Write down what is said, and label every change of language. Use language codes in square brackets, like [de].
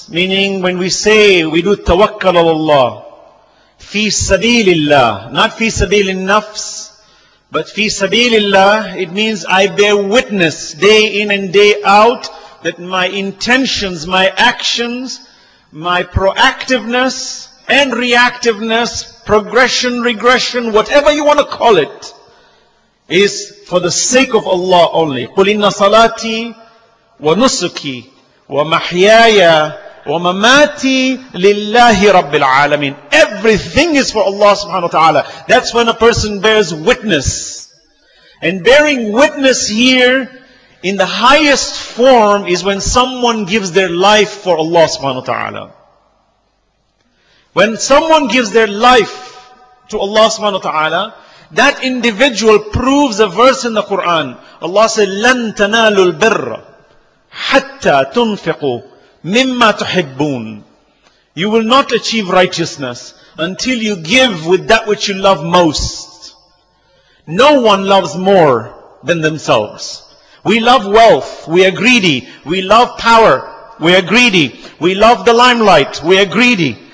[en] Meaning when we say we do tawakkal ala Allah, fi sabilillah, not fi sabilin nafs, but fi sabilillah, it means I bear witness day in and day out that my intentions, my actions, my proactiveness and reactiveness, progression, regression, whatever you want to call it, is for the sake of Allah only. [ar] قُلْ إِنَّ صَلَاتِي ونسكي ومحياي ومماتي لله رب العالمين. [en] Everything is for Allah subhanahu wa ta'ala. That's when a person bears witness. And bearing witness here in the highest form is when someone gives their life for Allah subhanahu wa ta'ala. When someone gives their life to Allah subhanahu wa ta'ala, that individual proves a verse in the Quran. Allah said, [ar] لَن تَنَالُوا الْبِرَّ حَتَّى تُنْفِقُوا مِمَّا تُحِبُّونَ. [en] You will not achieve righteousness until you give with that which you love most. No one loves more than themselves. We love wealth, we are greedy. We love power, we are greedy. We love the limelight, we are greedy.